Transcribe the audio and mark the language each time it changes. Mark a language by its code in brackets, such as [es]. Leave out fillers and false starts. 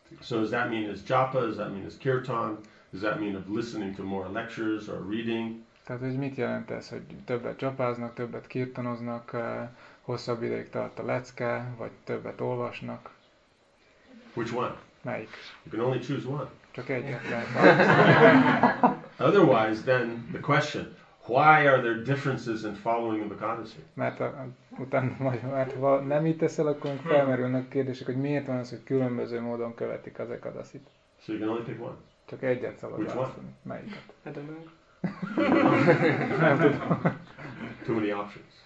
[en] So does that mean it's japa? Does that mean it's kirtan? Does that mean of listening to more lectures or reading? [hu] Tehát, hogy mit jelent ez, hogy többet japáznak, többet kirtanoznak, hosszabb ideig tart a lecke, vagy többet olvasnak? [en] Which one? [hu] Melyik? [en] You can only choose one. [hu] Csak egyet kell. [en] Otherwise, then the question: why are there differences in following the Ekadasi? [hu] Mert utána majd, mert ha nem itt teszel, akkor felmerülnek kérdések, hogy miért van az, hogy különböző módon követik az Ekadasit. [en] So you can only pick one. [hu] Csak egyet szabad választani. Melyiket? [en] Too many options.